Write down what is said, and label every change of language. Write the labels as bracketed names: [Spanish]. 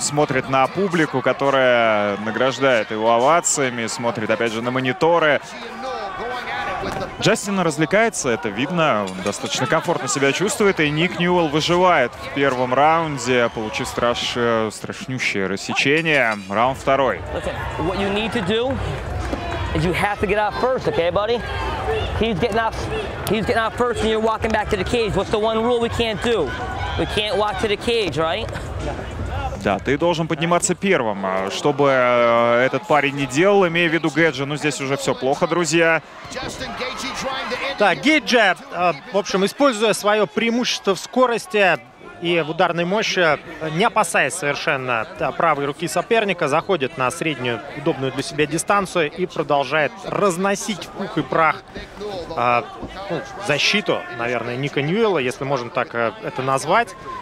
[Russian] Смотрит на публику, которая награждает его овациями. Смотрит, опять же, на мониторы. Джастин развлекается, это видно. Он достаточно комфортно себя чувствует. И Ник Ньюэлл выживает в первом раунде, получив страшнющее рассечение. Раунд второй. [English] What you need to do... You have to get out first, okay, buddy? He's getting out first, and you're walking back to the cage. What's the one rule we can't do? We can't walk to the cage, right? [Russian] Да, ты должен подниматься первым, чтобы этот парень не делал, имея в виду Гэджи. Ну, здесь уже все плохо, друзья. Так, Гэджи, в общем, используя свое преимущество в скорости и в ударной мощи, не опасаясь совершенно правой руки соперника, заходит на среднюю удобную для себя дистанцию и продолжает разносить в пух и прах защиту, наверное, Ника Ньюэлла, если можно так это назвать.